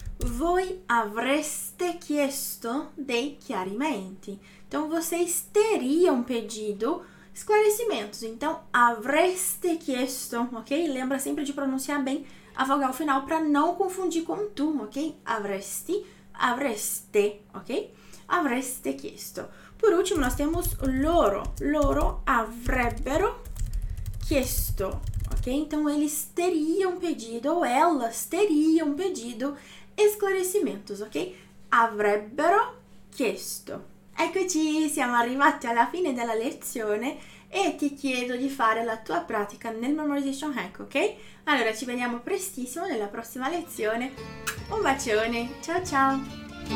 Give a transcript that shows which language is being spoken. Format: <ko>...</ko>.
<it>Voi avreste chiesto dei chiarimenti.</it> <pt>Então, vocês teriam pedido esclarecimentos. Então, avreste chiesto, ok? Lembra sempre de pronunciar bem a vogal final para não confundir com tu, ok?</pt> <it>Avreste, ok? Avreste chiesto.</it> <pt>Por último, nós temos loro.</pt> <it>Loro avrebbero chiesto, ok?</it> <pt>Então, eles teriam pedido, ou elas teriam pedido esclarecimentos, ok?</pt> <it>Avrebbero chiesto. Eccoci, siamo arrivati alla fine della lezione e ti chiedo di fare la tua pratica nel Memorization Hack, ok? Allora, ci vediamo prestissimo nella prossima lezione. Un bacione, ciao ciao!</it>